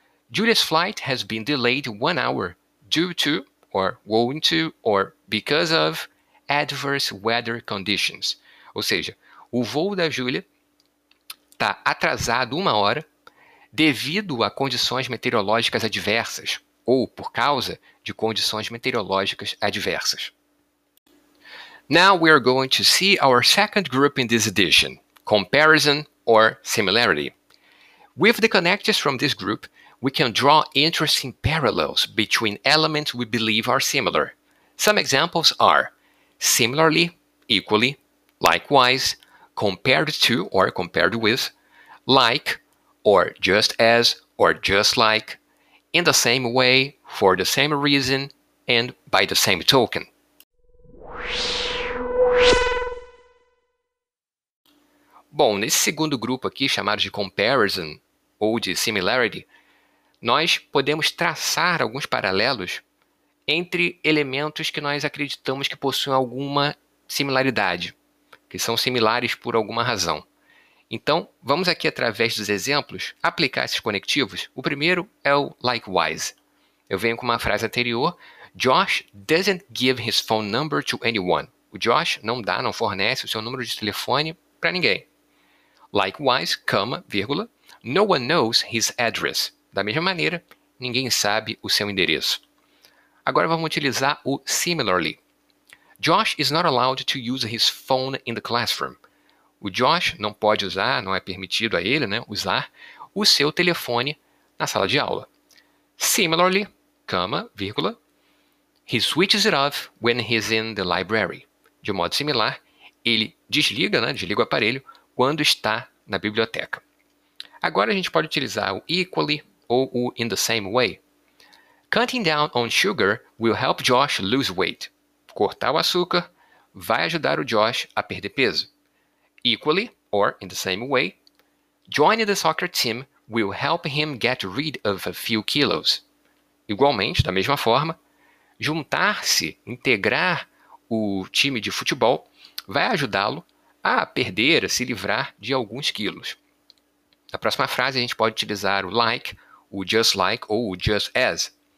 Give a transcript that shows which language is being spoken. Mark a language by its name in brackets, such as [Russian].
[English] Julia's flight has been delayed 1 hour due to, or owing to, or because of, adverse weather conditions. [Portuguese] Ou seja, o voo da Julia está atrasado 1 hora devido a condições meteorológicas adversas, ou por causa de condições meteorológicas adversas. [English] Now we are going to see our second group in this edition, comparison or similarity. With the connectors from this group, we can draw interesting parallels between elements we believe are similar. Some examples are similarly, equally, likewise, compared to or compared with, like, or just as, or just like, in the same way, for the same reason, and by the same token. [Portuguese] Bom, nesse segundo grupo aqui, chamado de comparison, ou de similarity, nós podemos traçar alguns paralelos entre elementos que nós acreditamos que possuem alguma similaridade, que são similares por alguma razão. Então, vamos aqui, através dos exemplos, aplicar esses conectivos. O primeiro é o likewise. Eu venho com uma frase anterior. [English] Josh doesn't give his phone number to anyone. [Portuguese] O Josh não dá, não fornece o seu número de telefone para ninguém. [English] Likewise, comma, [Portuguese] vírgula, [English] no one knows his address. [Portuguese] Da mesma maneira, ninguém sabe o seu endereço. Agora vamos utilizar o similarly. [English] Josh is not allowed to use his phone in the classroom. [Portuguese] O Josh não pode usar, não é permitido a ele, né, usar o seu telefone na sala de aula. [English] Similarly, comma, [Portuguese] vírgula, [English] he switches it off when he's in the library. [Portuguese] De modo similar, ele desliga, né, desliga o aparelho quando está na biblioteca. Agora a gente pode utilizar o equally ou o in the same way. [English] Cutting down on sugar will help Josh lose weight. [Portuguese] Cortar o açúcar vai ajudar o Josh a perder peso. [English] Equally, or in the same way, joining the soccer team will help him get rid of a few kilos. [Portuguese] Igualmente, da mesma forma, juntar-se, integrar o time de futebol, vai ajudá-lo a perder, a se livrar de alguns quilos. Na próxima frase, a gente pode utilizar o like, o just like ou o just as.